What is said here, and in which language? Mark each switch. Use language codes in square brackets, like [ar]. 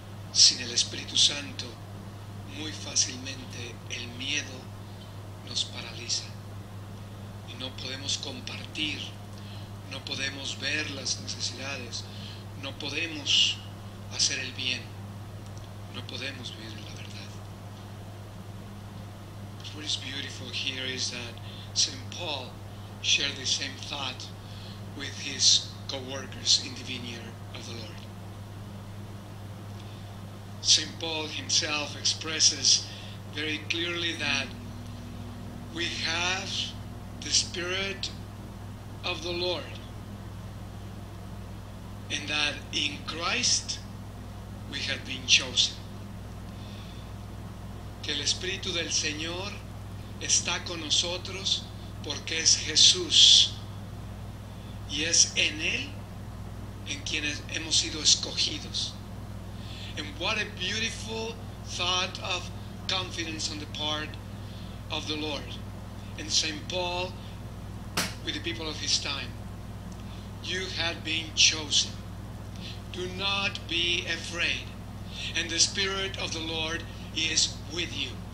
[es] Sin el Espíritu Santo, muy fácilmente el miedo nos paraliza. Y no podemos compartir, no podemos ver las necesidades, no podemos hacer el bien, no podemos vivir la verdad. [en] But what is beautiful here is that St. Paul shared the same thought with his co-workers in the vineyard of the Lord. St. Paul himself expresses very clearly that we have the Spirit of the Lord, and that in Christ we have been chosen. [es] Que el Espíritu del Señor está con nosotros porque es Jesús, y es en Él en quienes hemos sido escogidos. [en] And what a beautiful thought of confidence on the part of the Lord. And St. Paul, with the people of his time, you have been chosen. Do not be afraid. And the Spirit of the Lord is with you.